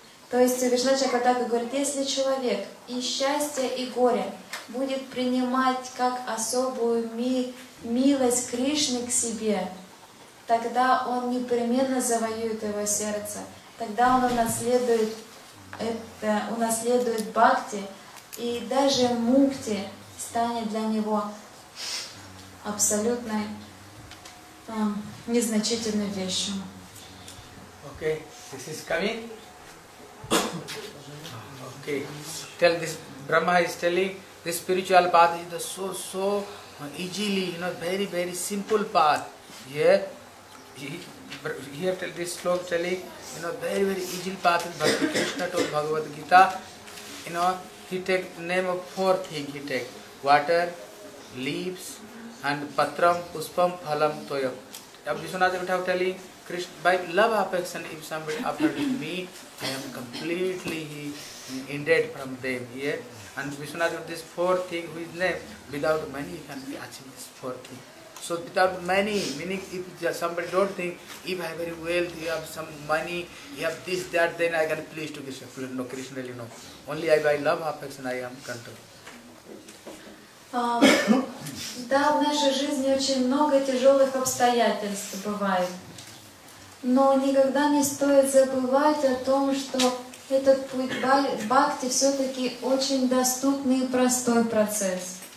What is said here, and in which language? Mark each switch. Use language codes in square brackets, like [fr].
[ru] То есть Вишвана Чакратаку говорит, если человек и счастье, и горе будет принимать как особую милость Кришны к себе, тогда он непременно завоюет его сердце, тогда он унаследует бхакти, и даже мукти станет для него абсолютной незначительной вещью. [en] Okay, this is coming. Okay, tell this, Brahma is telling, this spiritual path is the so easily, you know, very, very simple path. Here tell this sloka telling, you know, very, very easy path in Bhakti. Krishna told Bhagavad Gita, you know, he takes the name of four things, he takes water, leaves, and [sa] patram, puspam, phalam, toyam. [en] Now, Vishwanath Chakravarti is telling, Krishna, by love affection, if somebody approaches me, I am completely indebted from them here. Yeah? And Vishwanath with this four thing, who is name, without money, can be achieve this four thing. So without money, meaning if somebody don't think, if I have very wealth, you have some money, you have this, that, then I can please to Krishna. No, Krishna really no. Only I by love affection, I am controlled. [ru] Да, в нашей жизни очень много тяжелых обстоятельств бывает. Но никогда не стоит забывать о том, что этот путь бхакти все-таки очень доступный и простой процесс.